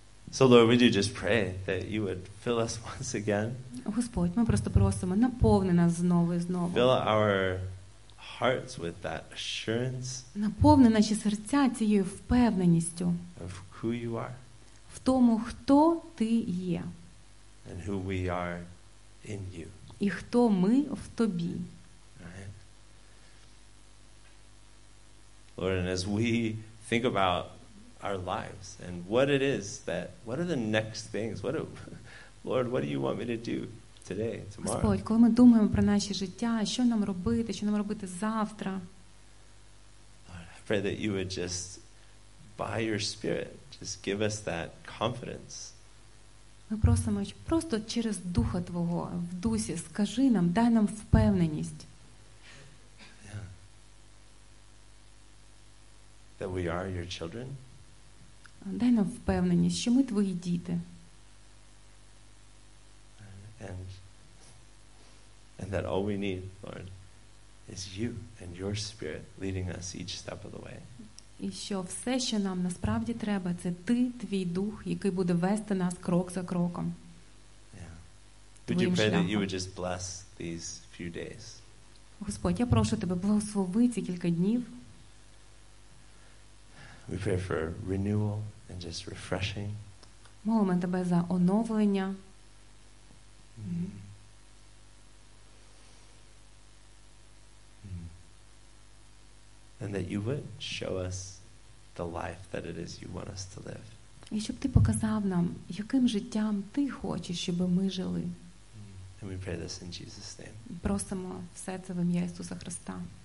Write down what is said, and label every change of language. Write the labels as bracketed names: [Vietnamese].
[English] So Lord, would you just pray that you would fill us once again? [Ukrainian] Господь, ми просто просимо, наповни нас знову і знову. [English] Fill our hearts with that assurance. [Ukrainian] Наповни наші серця цією впевненістю. [English] Of who you are. [Ukrainian] В тому, хто ти є. [English] And who we are in you. [Ukrainian] І хто ми в тобі. [English] Lord, and as we think about our lives and what it is that, what are the next things? Lord, what do you want me to do today, tomorrow? [Ukrainian] Господь, коли ми думаємо про наше життя, що нам робити завтра? [English] Lord, I pray that you would just, by your Spirit, just give us that confidence. [Ukrainian] Ми просимо, просто через Духа Твого, в Дусі, скажи нам, дай нам впевненість. [English] That we are your children. [Ukrainian] Дай нам впевненість, що ми твої діти. [English] And that all we need, Lord, is you and your Spirit leading us each step of the way. [Ukrainian] І що все, що нам насправді треба, це ти, твій дух, який буде вести нас крок за кроком. [English] Yeah. Would you pray that you would just bless these few days? [Ukrainian] Господь, я прошу тебе благослови ці кілька днів. [English] We pray for renewal and just refreshing. [Ukrainian] Молимо тебе за оновлення. [English] And that you would show us the life that it is you want us to live. [Ukrainian] І щоб ти показав нам, яким життям ти хочеш, щоб ми жили. [English] And we pray this in Jesus' name. [Ukrainian] Просимо все це в ім'я Ісуса Христа.